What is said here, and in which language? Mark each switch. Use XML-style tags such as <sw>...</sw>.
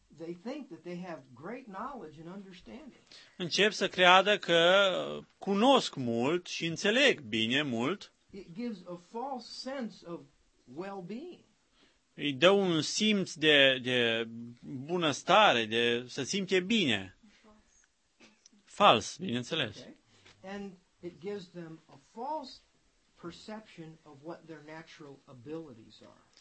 <en>They think that they have great knowledge and understanding.</en> <ro>Încep să creadă că cunosc mult și înțeleg bine mult.</ro> <en>It gives a false sense of well-being.</en> <ro>Îi dă un simț de bunăstare, de să simte bine. Fals, bineînțeles. Okay.</ro> <en>And it gives them a false perception of what their natural abilities are.</en>